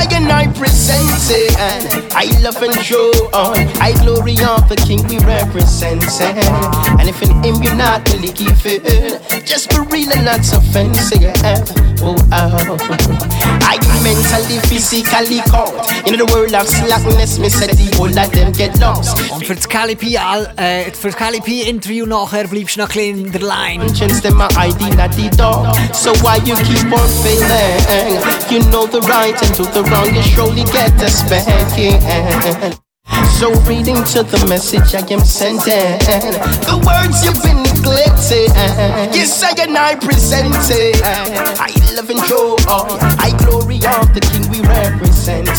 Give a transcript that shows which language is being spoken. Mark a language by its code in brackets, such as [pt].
[en] Second, I present it, I love and show I glory of the King we represent. And if in him you not believing, just be real and not offensive. Oh, I'm mentally, physically caught. In the world of slackness, me said the whole of them get lost. [de] Und für das Calipi-Interview nachher bleibst du noch in der Line. [en] Chance them my ID not the dog. So why you keep on failing? You know the right and do the wrong, you surely get the spanking. So reading to the message I am sending, the words you've been neglecting. Yes, I and I present it. I love and show I glory of the King we represent.